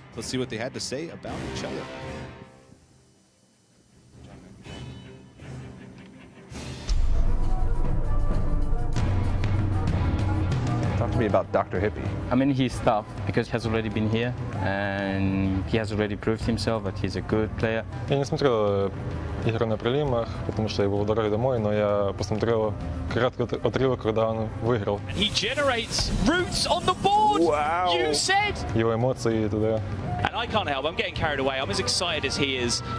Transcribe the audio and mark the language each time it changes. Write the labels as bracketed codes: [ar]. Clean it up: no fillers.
[en] Let's see what they had to say about each other. Talk to me about DrHippi. I mean, he's tough because he has already been here and he has already proved himself that he's a good player. [ru] Я не смотрел игру на прилимах, потому что я был в дороге домой, но я посмотрел краткий отрывок, когда он выиграл. [en] He generates roots on the board. Wow. You said. [ru] Его эмоции и т.д. [en] And I can't help. I'm getting carried away. I'm as excited as he is.